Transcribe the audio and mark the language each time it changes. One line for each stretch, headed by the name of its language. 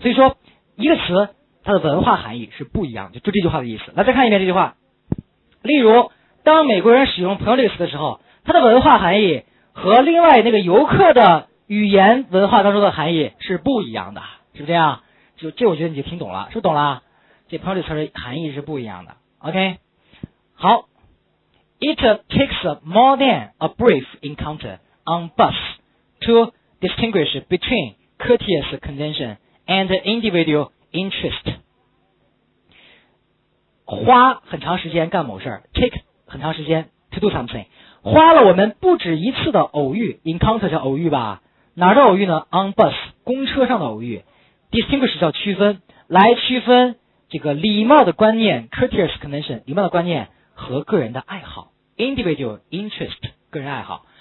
Chinese: 所以说，一个词它的文化含义是不一样的，就这句话的意思。来，再看一遍这句话。例如，当美国人使用"朋友"这个词的时候，它的文化含义和另外那个游客的语言文化当中的含义是不一样的，是不是这样？就这，我觉得你就听懂了，是不懂了？这朋友这词的含义是不一样的。
English: OK， 好 ，It takes more than a brief encounter on bus to distinguish between courteous convention and individual interest。
Chinese: 花很长时间干某事 ，take 很长时间 to do something，花了我们不止一次的偶遇 ，encounter 叫偶遇吧。哪儿的偶遇呢 ？ On bus，公车上的偶遇。Distinguish 叫区分，来区分这个礼貌的观念 ， courteous convention 礼貌的观念和个人的爱好 ， individual interest 个人爱好。